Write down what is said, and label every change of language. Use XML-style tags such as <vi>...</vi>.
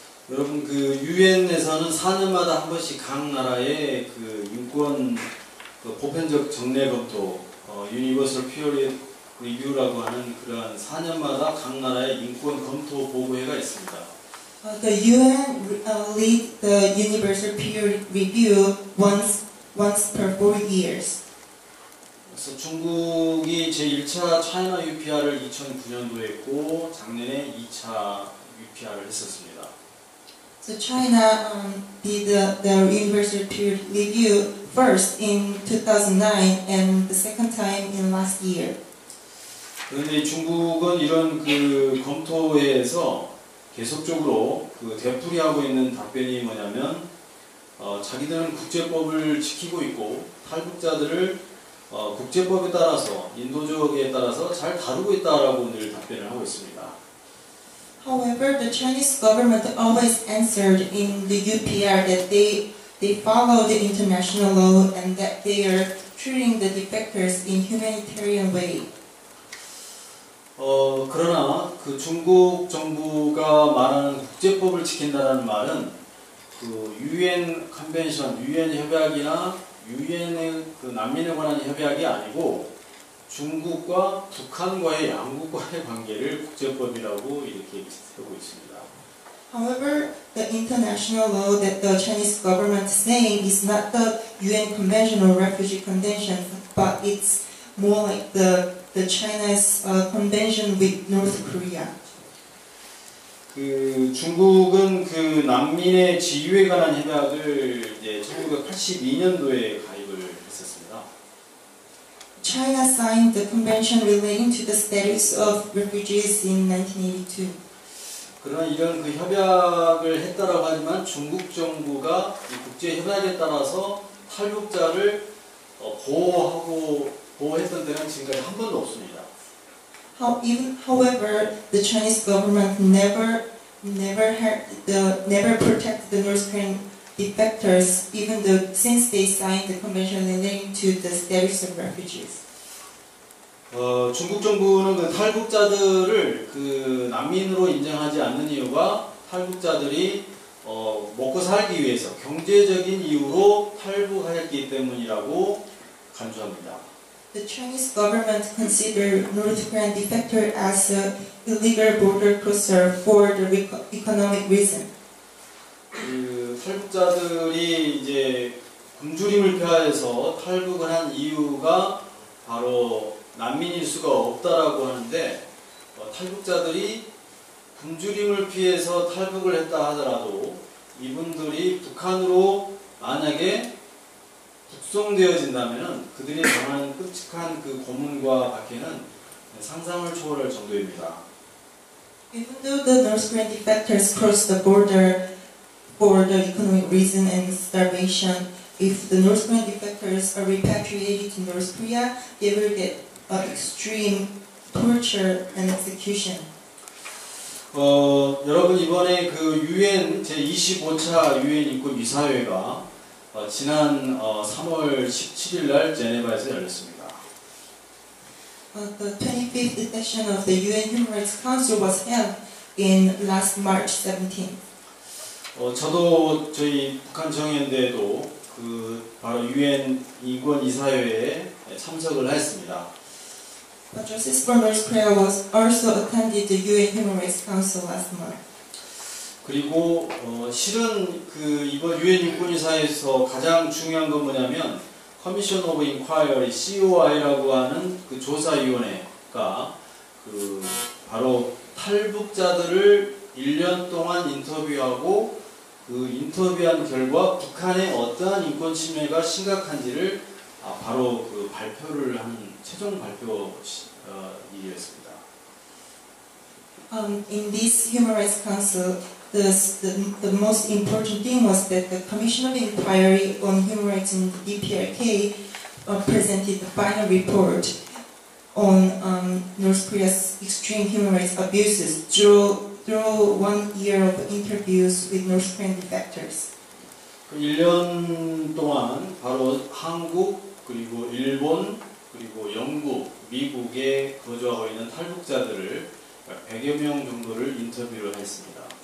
<ko>여러분 그 UN에서는 4년마다 한 번씩 각 나라의 그 인권 그 보편적 정례 검토 Universal Period Review라고 하는 그러한 4년마다 각 나라의 인권 검토 보고회가 있습니다.</ko> <en>The UN lead the Universal Period Review once per 4 years.</en> <ko>그래서 중국이 제1차 차이나 UPR을 2009년도에 했고 작년에 2차 UPR을 했었습니다.</ko> <en>So China did the Universal Period Review first in 2009 and the second time in last year.</en> <ko>그런데 중국은 이런 그 검토회에서 계속적으로 그 되풀이하고 있는 답변이 뭐냐면 자기들은 국제법을 지키고 있고 탈북자들을 국제법에 따라서 인도주의에 따라서 잘 다루고 있다라고 늘 답변을 하고 있습니다.</ko> <en>However, the Chinese government always answered in the UPR that they follow the international law and that they are treating the defectors in humanitarian way.</en> <ko>그러나 그 중국 정부가 말하는 국제법을 지킨다는 말은 그 UN 컨벤션, UN 협약이나 UN의 그 난민에 관한 협약이 아니고 중국과 북한과의 양국과의 관계를 국제법이라고 이렇게 세우고 있습니다.</ko> <en>However, the international law that the Chinese government is saying is not the UN Convention or Refugee Convention, but it's more like the China's convention with North Korea.</en> <ko>그 중국은 그 난민의 지위에 관한 협약을 이제 1982년도에 가입을 했었습니다.</ko> <en>China signed the convention relating to the status of refugees in 1982.</en> <ko>그러나 이런 그 협약을 했다라고 하지만 중국 정부가 이 국제 협약에 따라서 탈북자를 보호했던 때는 지금까지 한 번도 없습니다.</ko> <en>However, the Chinese government never protected the North Korean defectors, even though since they signed the convention relating to the status of refugees.</en> <ko>중국 정부는 그 탈북자들을 그 난민으로 인정하지 않는 이유가 탈북자들이 먹고 살기 위해서 경제적인 이유로 탈북하였기 때문이라고 간주합니다.</ko> <en>The Chinese government considers North Korean defector as a illegal border crosser for the economic reason.</en> <ko>탈북자들이 이제 굶주림을 피하여서 탈북을 한 이유가 바로 난민일 수가 없다라고 하는데 탈북자들이 굶주림을 피해서 탈북을 했다 하더라도 이분들이 북한으로 만약에 숙성되어진다면 그들이 당한 끔찍한 그 고문과 밖에는 상상을 초월할 정도입니다.</ko> <en>Even though the North Korean defectors cross the border for the economic reason and starvation, if the North Korean defectors are repatriated to North Korea, they will get extreme torture and execution.</en> <ko>여러분 이번에 그 UN 제25차 UN 인권 이사회가 지난 3월 17일 날 제네바에서 열렸습니다.</ko> <en>The 25th edition of the UN Human Rights Council was held in last March 17.</en> <ko>저도 저희 북한 정의연대에도 그 바로 UN 인권 이사회에 참석을 했습니다.</ko> <en>But Justice for North Korea was also attended the UN Human Rights Council last March.</en> <ko>그리고 실은 그 이번 유엔 인권이사회에서 가장 중요한 건 뭐냐면 커미션 오브 인콰이어리 COI라고 하는 그 조사위원회가 그 바로 탈북자들을 1년 동안 인터뷰하고 그 인터뷰한 결과 북한의 어떠한 인권 침해가 심각한지를 바로 그 발표를 한 최종 발표 일이었습니다.</ko> <en>In this Human Rights Council, The most important thing was that the Commission of Inquiry on Human Rights in the DPRK presented the final report on North Korea's extreme human rights abuses through 1 year of interviews with North Korean defectors.</en> <ko>그 1년 동안 바로 한국 그리고 일본 그리고 영국 미국에 거주하고 있는 탈북자들을 100여 명 정도를 인터뷰를 했습니다.</ko>